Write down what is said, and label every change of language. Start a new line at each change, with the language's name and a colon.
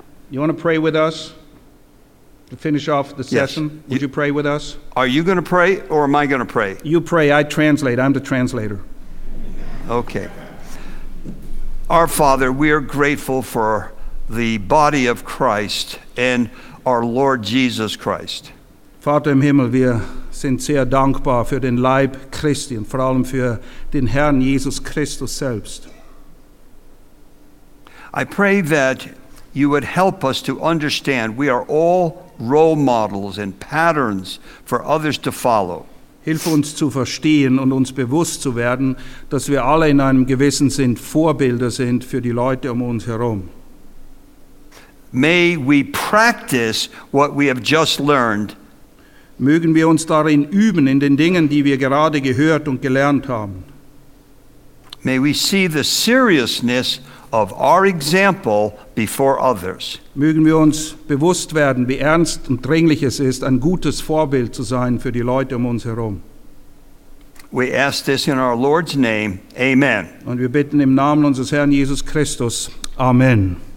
English: You want to pray with us to finish off the session? Yes. Would you pray with us? Are you going to pray or am I going to pray? You pray. I translate. I'm the translator. Okay. Our Father, we are grateful for the body of Christ and our Lord Jesus Christ.
German: Vater im Himmel, wir sind sehr dankbar für den Leib Christi und vor allem für den Herrn Jesus Christus selbst.
English: I pray that you would help us to understand we are all role models and patterns for others to follow.
German: Hilf uns zu verstehen und uns bewusst zu werden, dass wir alle in einem gewissen Sinn Vorbilder sind für die Leute um uns herum.
English: May we practice what we have just learned.
German: Mögen wir uns darin üben, in den Dingen, die wir gerade gehört und gelernt haben.
English: May we see the seriousness of our example before others.
German: Mögen wir uns bewusst werden, wie ernst und dringlich es ist, ein gutes Vorbild zu sein für die Leute um uns herum.
English: We ask this in our Lord's name. Amen.
German: Und wir bitten im Namen unseres Herrn Jesus Christus. Amen.